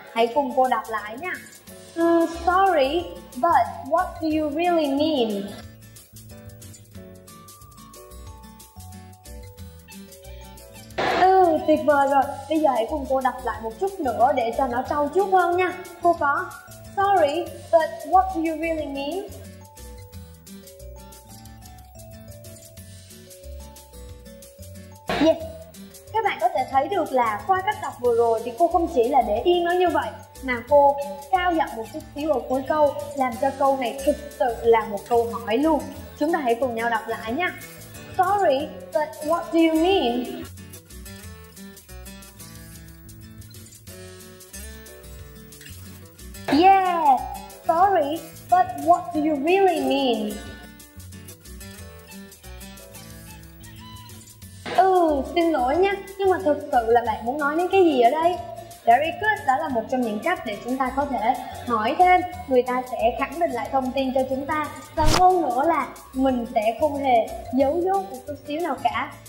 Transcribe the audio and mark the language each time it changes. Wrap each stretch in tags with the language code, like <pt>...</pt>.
<vi>Hãy cùng cô đọc lại nha.</vi> <en>Sorry, but what do you really mean?</en> <vi>Tuyệt vời rồi, bây giờ hãy cùng cô đọc lại một chút nữa để cho nó trau chuốt hơn nha. Cô có</vi> <en>sorry, but what do you really mean?</en> <vi>Yes, các bạn có thể thấy được là qua cách đọc vừa rồi thì cô không chỉ là để yên nó như vậy mà cô cao giọng một chút xíu ở cuối câu, làm cho câu này thực sự là một câu hỏi luôn. Chúng ta hãy cùng nhau đọc lại nha.</vi> <en>Sorry, but what do you mean? Yeah, sorry, but what do you really mean?</en> <vi>Ừ, xin lỗi nha, nhưng mà thực sự là bạn muốn nói đến cái gì ở đây? Very good, đó là một trong những cách để chúng ta có thể hỏi thêm. Người ta sẽ khẳng định lại thông tin cho chúng ta. Và hơn nữa là mình sẽ không hề giấu giốt một chút xíu nào cả.</vi>